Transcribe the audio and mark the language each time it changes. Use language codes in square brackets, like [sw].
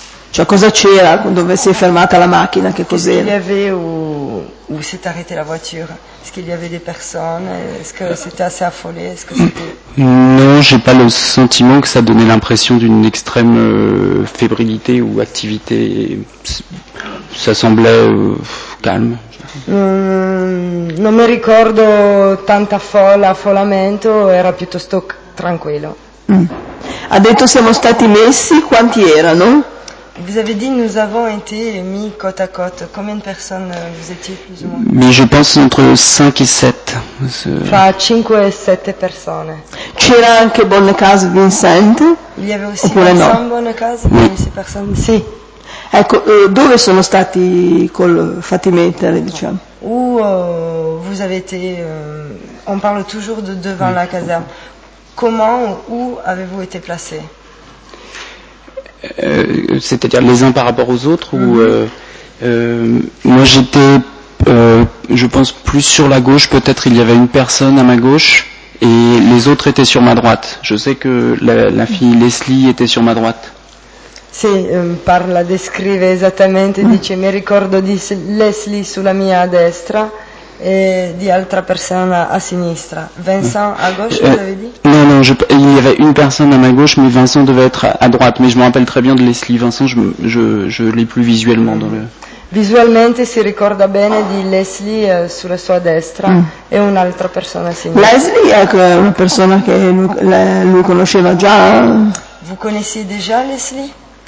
[it] Cioè cosa c'era dove si è fermata la macchina, che cos'era? [fr] Est-ce qu'il y avait où s'est arrêtée la voiture? Est-ce qu'il y avait des personnes? Est-ce que c'était assez affolé? Est-ce que c'était... Non, j'ai pas le sentiment que ça donnait l'impression d'une extrême fébrilité ou activité. Ça semblait calme. [it] Non mi ricordo tanta folla, affollamento, era piuttosto tranquillo. Ha detto siamo stati messi, quanti erano? [fr] Vous avez dit nous avons été mis côte à côte. Combien de personnes vous étiez plus ou moins? Mais je pense entre 5 et 7. Fra 5 et 7 personnes. [it] C'era anche Bonnecase Vincent? [fr] Il y avait aussi Vincent no? Bonnecase, oui. Quindi ces personnes. [it] Sì. Ecco, dove sono stati fatti mettere, diciamo? [fr] Où vous avez été on parle toujours de devant la caserne. Comment où avez-vous été placé? C'est-à-dire les uns par rapport aux autres ou moi j'étais je pense plus sur la gauche, peut-être il y avait une personne à ma gauche et les autres étaient sur ma droite. Je sais que la fille Leslie était sur ma droite. [it] Sì, parla, descrive esattamente, dice mi ricordo di Leslie sulla mia destra e di altra persona a sinistra. [fr] Vincent a gauche, vous avez dit? Non, il y avait une personne à ma gauche, mais Vincent devait être à droite. Mais je me rappelle très bien de Leslie. Vincent, je l'ai plus visuellement. [it] Visualmente si ricorda bene di Leslie sulla sua destra e un'altra persona a sinistra. Leslie è una persona che lui conosceva già. [fr] Vous connaissiez déjà Leslie?